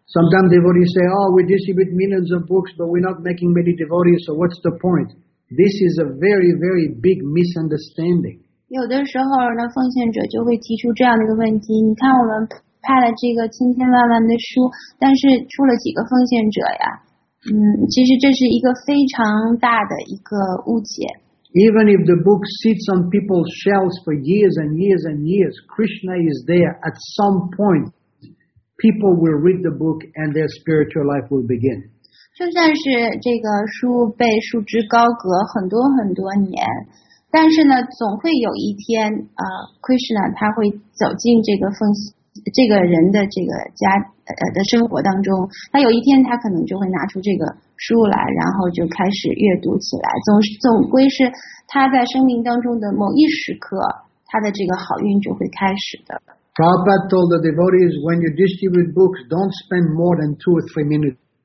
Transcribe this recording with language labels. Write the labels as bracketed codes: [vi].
[en] Sometimes devotees say, "Oh, we distribute millions of books, but we're not making many devotees. So what's the point?" This is a very, very big misunderstanding. [zh] 有的时候呢，奉献者就会提出这样的一个问题：你看，我们派了这个千千万万的书，但是出了几个奉献者呀？其实这是一个非常大的一个误解。 Even if the book sits on people's shelves for years and years and years, Krishna is there at some point. People will read the book and their spiritual life will begin. 就算是这个书被束之高阁很多很多年，但是呢，总会有一天Krishna 他会走进这个人的这个家的生活当中。他有一天他可能就会拿出这个书来，然后就开始阅读起来。总归是他在生命当中的某一时刻，他的这个好运就会开始的。 [en] Prabhupada told the devotees, when you distribute books, don't spend more than 2 or 3 minutes.